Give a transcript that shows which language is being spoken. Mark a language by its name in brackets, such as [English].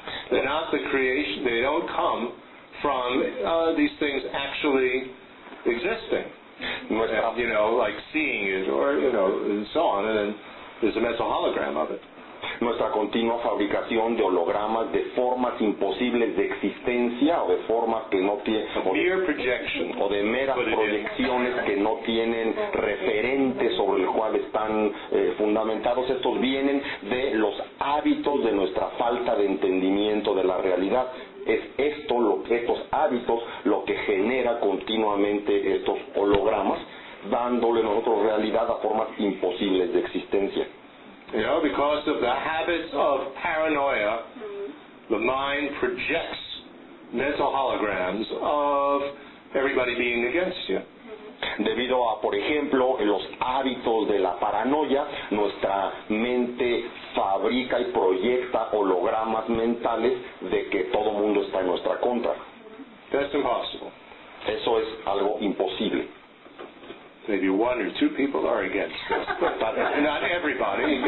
[English] They're not the creation, they don't come from these things actually existing. Mm-hmm. You know, like seeing it or, you know, and so on, and then there's a mental hologram of it. [Spanish] Nuestra continua fabricación de hologramas de formas imposibles de existencia o de formas que no tienen o de meras proyecciones que no tienen referente sobre el cual están fundamentados, estos vienen de los hábitos de nuestra falta de entendimiento de la realidad. Es esto, estos hábitos, lo que genera continuamente estos hologramas, dándole nosotros realidad a formas imposibles de existencia. [English] You know, because of the habits of paranoia, the mind projects mental holograms of everybody being against you. [Spanish] Debido a, por ejemplo, los hábitos de la paranoia, nuestra mente fabrica y proyecta hologramas mentales de que todo mundo está en nuestra contra. [English] That's impossible. [Spanish] Eso es algo imposible. [English] Maybe one or two people are against us, but not everybody.